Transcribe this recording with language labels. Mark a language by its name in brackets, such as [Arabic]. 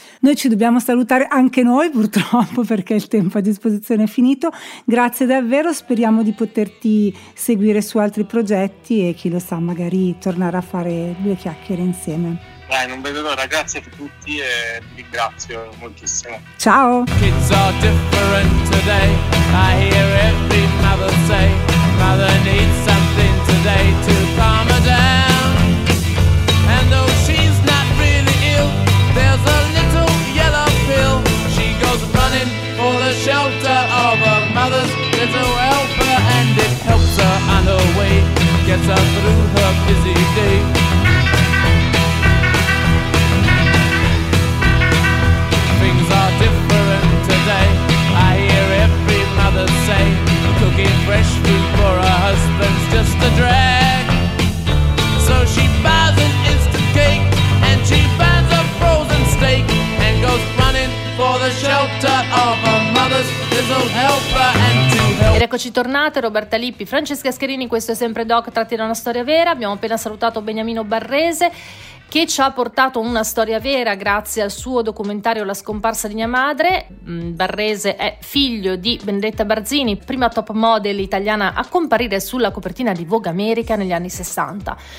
[Italian] Noi ci dobbiamo salutare anche noi, purtroppo, perché il tempo a disposizione è finito. Grazie davvero, speriamo di poterti seguire su altri progetti e chi lo sa, magari tornare a fare due chiacchiere insieme. Dai, non vedo l'ora, grazie a tutti e vi ringrazio moltissimo. Ciao! [English] Kids are different today. I hear every mother say, mother needs something today to calm her down. And though she's not really ill, there's a little yellow pill. She goes running for the shelter of her mother's little helper, and it helps her on her way, gets her through her busy day. Things are different today, I hear every mother say, cooking fresh food for her husband's just a drag. So she buys an instant cake, and she finds a frozen steak, and goes running for the shelter of her mother's little helper. And [Italian] ed eccoci tornate, Roberta Lippi, Francesca Scherini, questo è sempre Doc, tratti da una storia vera. Abbiamo appena salutato Beniamino Barrese, che ci ha portato una storia vera grazie al suo documentario La scomparsa di mia madre. Barrese è figlio di Benedetta Barzini, prima top model italiana a comparire sulla copertina di Vogue America negli anni 60.